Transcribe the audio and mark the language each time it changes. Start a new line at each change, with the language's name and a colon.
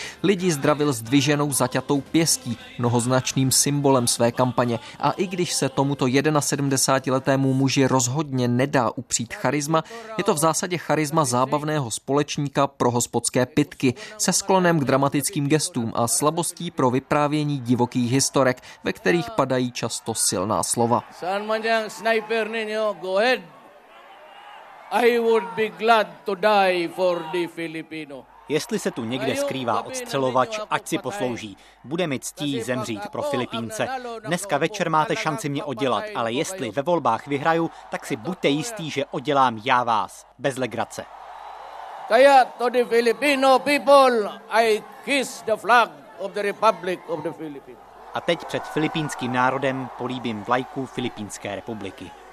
Czech: Lidi zdravil zdviženou zaťatou pěstí, mnohoznačným symbolem své kampaně, a i když se tomuto 71-letému muži rozhodně nedá upřít charisma, je to v zásadě charisma zábavného společníka pro hospodské pitky se sklonem k dramatickým gestům a slabostí pro vyprávění divokých historek, ve kterých padají často silná slova.
Filipino: San manyan sniper ninyo,
English: go ahead. I would be glad to die for the Filipino.
Czech: Jestli se tu někde skrývá odstřelovač, ať si poslouží. Bude mi ctí zemřít pro Filipínce. Dneska večer máte šanci mě oddělat, ale jestli ve volbách vyhraju, tak si buďte jistý, že oddělám já vás. Bez legrace.
English: Kaya to the Filipino people, I kiss the flag of the Republic of the Philippines.
Czech: A teď před filipínským národem políbím vlajku Filipínské republiky.